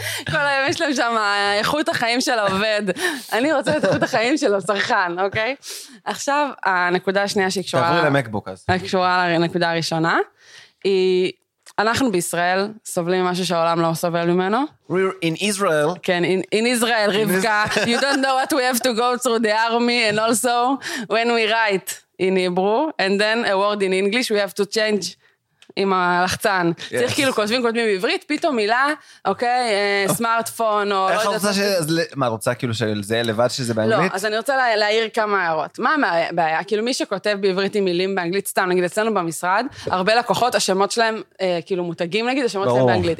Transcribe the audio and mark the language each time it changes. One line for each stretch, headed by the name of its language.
Hebrew: כל היום יש להם שם איכות החיים של העובד. אני רוצה את איכות החיים של הצרכן, אוקיי? עכשיו, הנקודה השנייה שהיא קשורה... תעברי למקבוק אז. היא קשורה לנקודה הראשונה, היא... אנחנו בישראל סובלים משהו שהעולם לא סובל ממנו.
English: We're in Israel. כן, in Israel, רבקה. You don't know what we have to go through the army, and also when we write. in Hebrew, and then a word in English, we have to change
Hebrew: עם הלחצן.
English: Yes.
Hebrew: צריך כאילו כותבים בעברית, פתאום מילה, אוקיי, סמארטפון, או... איך את רוצה מה רוצה כאילו של זה, לבד שזה באנגלית? לא, אז אני רוצה להעיר כמה הערות. מה הבעיה? כאילו מי שכותב בעברית עם מילים באנגלית סתם, נגיד אצלנו במשרד, הרבה לקוחות, השמות שלהם, כאילו מותגים נגיד, השמות שלהם באנגלית.